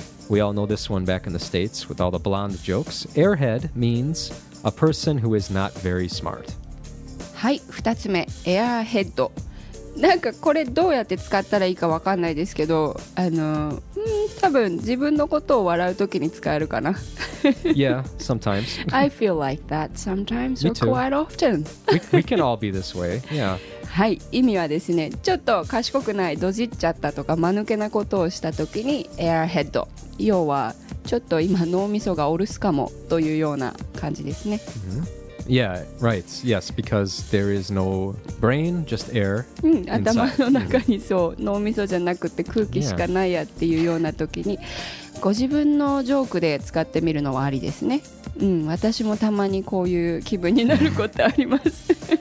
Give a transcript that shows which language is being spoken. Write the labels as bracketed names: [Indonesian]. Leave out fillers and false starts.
[English] We all know this one back in the States with all the blonde jokes. Airhead means a person who is not very smart. [Japanese] はい、2つ目、airhead。なんかこれどうやって使ったらいいかわかんないですけど、多分自分のことを笑うときに使えるかな。 [English] Yeah, sometimes. I feel like that sometimes Me too. or quite often. we can all be this way, yeah. [Japanese] はい、意味はですね、ちょっと賢くない、どじっちゃったとか、間抜けなことをしたときに、エアヘッド。要は、ちょっと今、脳みそがお留守かもというような感じですね。 [English] Mm-hmm. Yeah, right. Yes, because there is no brain, just air. [Japanese] うん、頭の中にそう、mm-hmm. 脳みそじゃなくて空気しかないやっていうようなときに、ご自分のジョークで使ってみるのはありですね。うん、私もたまにこういう気分になることあります。